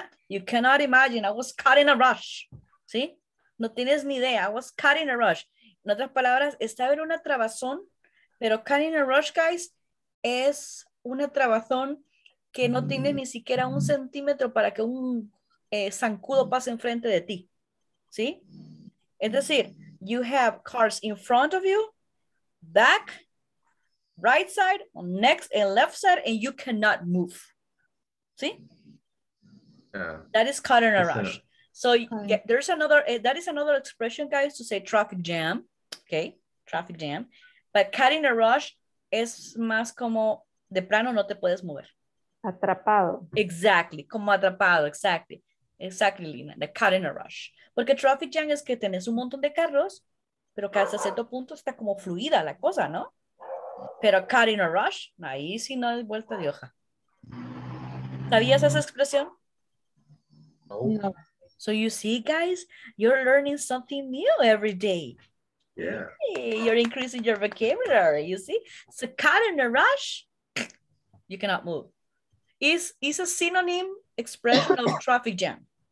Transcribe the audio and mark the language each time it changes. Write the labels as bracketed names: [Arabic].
[English] You cannot imagine, I was caught in a rush. [Spanish] ¿Sí? No tienes ni idea, [English] I was caught in a rush. [Spanish] En otras palabras, estaba en una trabazón, pero [English] caught in a rush, [Spanish] guys, es una trabazón que no tiene ni siquiera un centímetro para que un... zancudo pasa enfrente de ti. ¿Sí? Es decir, [English] you have cars in front of you, back, right side, next, and left side, and you cannot move. [Spanish] ¿Sí? [English] Yeah. That is caught in a rush. So yeah, there's another, that is another expression, guys, to say traffic jam. Okay, traffic jam. But caught in a rush [Spanish] es más como de plano no te puedes mover. Atrapado. [English] Exactly, [Spanish] como atrapado, [English] exactly. Exactly, Lina, the car in a rush. [Spanish] Porque [English] traffic jam [Spanish] es que tenés un montón de carros, pero que hasta cierto punto está como fluida la cosa, ¿no? Pero [English] car in a rush, [Spanish] ahí sí no hay vuelta de hoja. ¿Sabías esa expresión? No. [English] So you see, guys, you're learning something new every day. Yeah. Hey, you're increasing your vocabulary, you see? So car in a rush, you cannot move. Is a synonym expression of traffic jam.